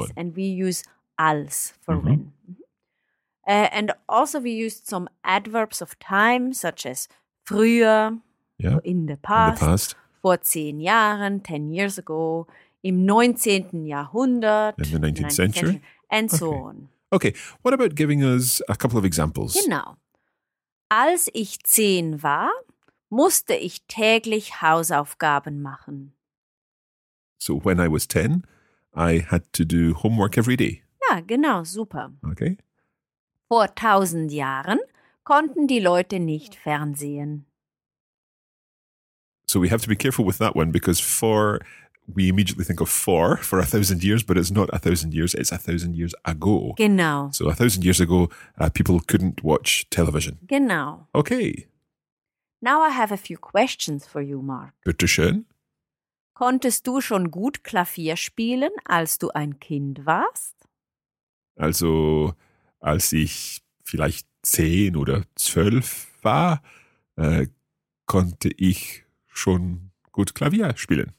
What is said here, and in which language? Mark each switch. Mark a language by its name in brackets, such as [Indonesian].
[English] Yes, and we use als for mm-hmm. when. And also we used some adverbs of time, such as früher, in the past. [German] Vor 10 Jahren, [English] 10 years ago. [German] Im 19. Jahrhundert. [English] In the 19th century. And so on. Okay, what about giving us a couple of examples? [German] Genau. Als ich 10 war, musste ich täglich Hausaufgaben machen. [English] So when I was 10, I had to do homework every day. [German] Ja, genau, super. [English] Okay. [German] Vor 1000 Jahren konnten die Leute nicht fernsehen. [English] So we have to be careful with that one because we immediately think of for 1,000 years, but it's not 1,000 years, it's 1,000 years ago. [German] Genau. [English] So 1,000 years ago, people couldn't watch television. [German] Genau. [English] Okay. Now I have a few questions for you, Mark. [German] Bitte schön. Konntest du schon gut Klavier spielen, als du ein Kind warst? Also, als ich vielleicht 10 oder 12 war, konnte ich schon gut Klavier spielen.